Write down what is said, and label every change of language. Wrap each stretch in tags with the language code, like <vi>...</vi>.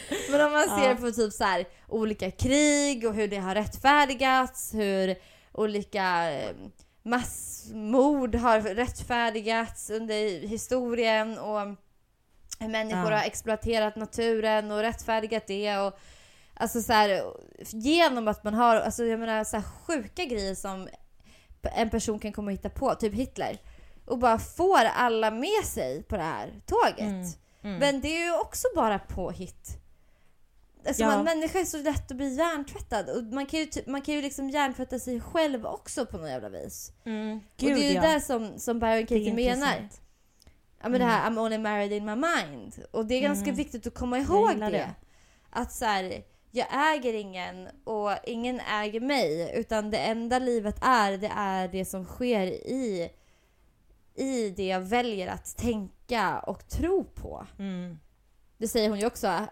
<sv>Men om man ser på typ så här olika krig och hur det har rättfärdigats, hur olika massmord har rättfärdigats under historien och hur människor har exploaterat naturen och rättfärdigat det och alltså så här, genom att man har alltså jag menar så här sjuka grejer som en person kan komma och hitta på typ Hitler och bara får alla med sig på det här tåget. Men det är ju också bara på hit. Alltså man, människa är så lätt att bli hjärntvättad. Och man kan ju liksom hjärntvätta sig själv också på något jävla vis. Gud, och det är ju det som Byron Katie menar. Ja, men det här,</sv> <en>I'm only married in my mind.</en> <sv>Och det är ganska viktigt att komma ihåg det. Att så här, jag äger ingen och ingen äger mig. Utan det enda livet är, det är det som sker i det jag väljer att tänka och tro på. Det säger hon ju också.</sv>